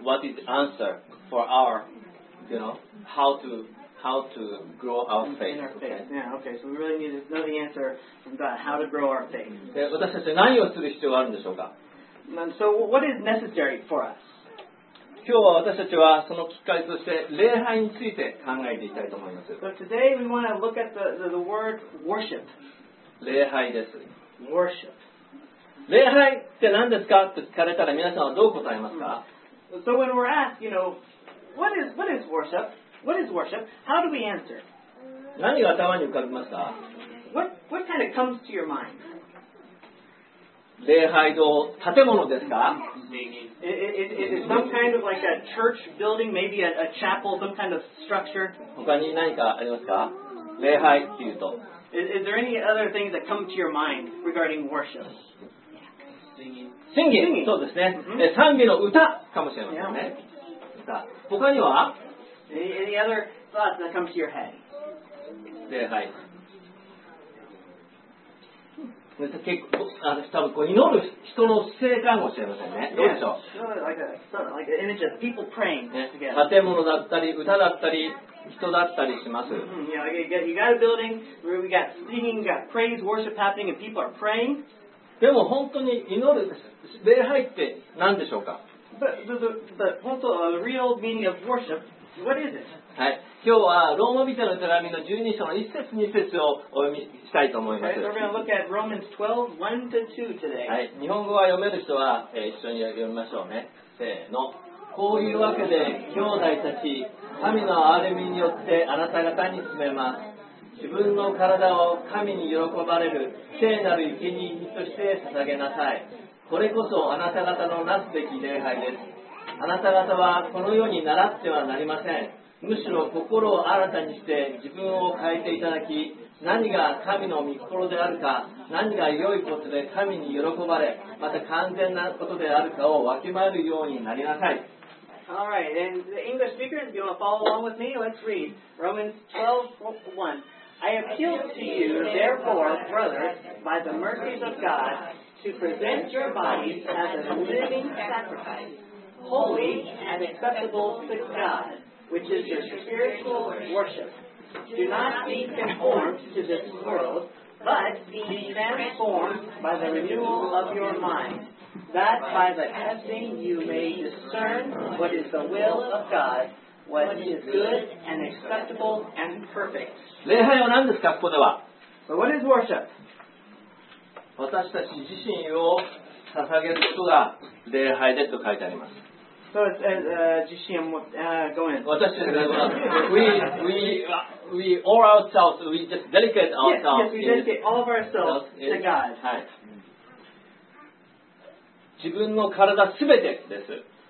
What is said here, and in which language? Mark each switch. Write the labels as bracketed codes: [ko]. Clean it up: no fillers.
[en] What is the answer for our, you know, how to grow our faith? In our faith. Yeah. Okay. So we really need to know the answer from God. How to grow our faith. [ja] 私たちは何をする必要があるんでしょうか。 [en] So what is necessary for us? [ja] 今日は私たちはその機会として礼拝について考えていきたいと思います。 [en] So today we want to look at the word worship. [ja] 礼拝です。 [en] Worship. [ja] 礼拝って何ですかって聞かれたら皆さんはどう答えますか [en] ？So when we're asked, you know, what is worship? What is worship? How do we answer? [ja] 何が頭に浮かびますか [en] ？What kind of comes to your mind? [ja] 礼拝堂、建物ですか [en] Is it some kind of like a church building, maybe a chapel, some kind of structure? [ja] 他に何かありますか礼拝っていうと。 [en] Is there any other things that come to your mind regarding worship? Singing. [ja] そうですね。 [en] Mm-hmm. [ja] 賛美の歌かもしれませんね。 [en] Yeah. [ja] 他には [en] Any other thoughts that come to your head? [ja] 礼拝。結構あの多分こう祈る人の生活かもしれませんね。どうでしょう。 [en] Yeah, sure, like an image of people praying. [ja] 建物だったり歌だったり人だったりします。 [en] Yeah, you got a building where we got singing, got praise, worship happening, and people are praying. [ja] でも本当に祈る礼拝って何でしょうか。 [en] But 本当 the real meaning of worship, what is it? [ja] はい、今日はローマ人の手紙の12章の1節2節をお読みしたいと思います。 [en] Right, so we're gonna look at Romans 12, 1 to 2 today. [ja] はい、日本語は読める人は、一緒に読みましょうね。せーの。こういうわけで兄弟たち、神の憐れみによってあなた方に告げます。自分の体を神に喜ばれる聖なる生贄として捧げなさい。これこそあなた方のなすべき礼拝です。あなた方はこの世に習ってはなりません。むしろ心を新たにして自分を変えていただき、何が神の御心であるか、何が良いことで神に喜ばれ、また完全なことであるかをわきまえるようになりなさい。 [en] All right, and the English speakers, if you want to follow along with me, let's read Romans 12:1. I appeal to you, therefore, brothers, by the mercies of God, to present your bodies as a living sacrifice, holy and acceptable to God, which is your spiritual worship. Do not be conformed to this world, but be transformed by the renewal of your mind, that by the testing you may discern what is the will of God, what is good and acceptable and perfect. [ja] 礼拝は何ですか、ここでは。 [en] But what is worship? [ja] 私たち自身を捧げることが礼拝でと書いてあります。 [en] So it's [ja] 自身も、 [en] go in. We all ourselves, we just dedicate ourselves. Yes, yes, we dedicate all of ourselves to God. [ja] 自分の体全てです。